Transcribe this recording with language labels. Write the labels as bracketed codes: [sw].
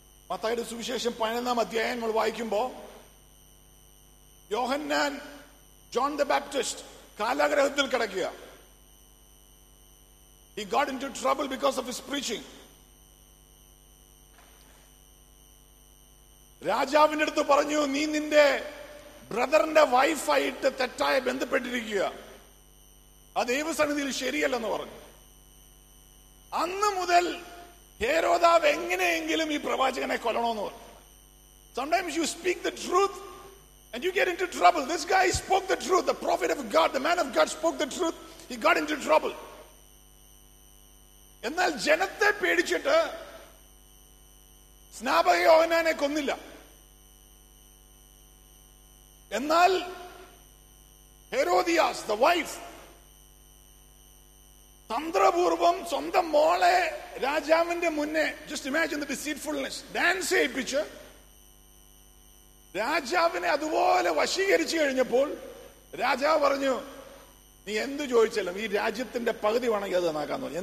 [ml] മത്തായിയുടെ സുവിശേഷം 11 അധ്യായം നമ്മൾ വായിക്കുമ്പോൾ യോഹന്നാൻ ജോൺ ദ ബാപ്റ്റിസ്റ്റ് കാലാഗ്രഹത്തിൽ കിടക്കുക. [en] He got into trouble because of his preaching. [ml] രാജാവിന്റെ അടുത്ത് പറഞ്ഞു, നീ നിന്റെ ബ്രദറിന്റെ വൈഫായിട്ട് തെറ്റായി ബന്ധപ്പെട്ടിരിക്കുക, ആ ദൈവസന്നിധിയിൽ ശരിയല്ലെന്ന് പറഞ്ഞു. അന്ന് മുതൽ ഹേരോദാവ് എങ്ങനെയെങ്കിലും ഈ പ്രവാചകനെ കൊല്ലണമെന്ന് പറഞ്ഞു. [en] Sometimes you speak the truth and you get into trouble. This guy spoke the truth, the prophet of God, the man of God spoke the truth, he got into trouble. [ml] എന്നാൽ ജനത്തെ പേടിച്ചിട്ട് സ്നാപക യോഹന്നാനെ കൊന്നില്ല. എന്നാൽ ഹെരോദിയാസ് ദ വൈഫ് തന്ത്രപൂർവം സ്വന്തം മോളെ രാജാവിന്റെ മുന്നേ, [en] just imagine the deceitfulness, [ml] dance ചെയ്യിപ്പിച്ച് രാജാവിനെ അതുപോലെ വശീകരിച്ചു കഴിഞ്ഞപ്പോൾ രാജാവ് പറഞ്ഞു, നീ എന്ത് ചോദിച്ചാലും ഈ രാജ്യത്തിന്റെ പകുതി വേണമെങ്കിൽ അത് നന്നാക്കാന്ന് പറഞ്ഞു.